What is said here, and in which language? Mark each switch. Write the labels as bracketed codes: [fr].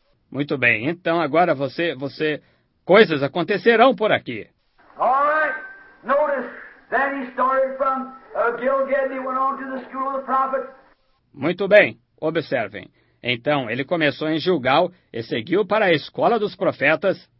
[pt] Muito bem, então agora você... Coisas acontecerão por aqui. [en] All right. Notice that he started from Gilgal and went on to the school of the prophets. [pt] Muito bem. Observem. Então, ele começou em Gilgal e seguiu para a escola dos profetas.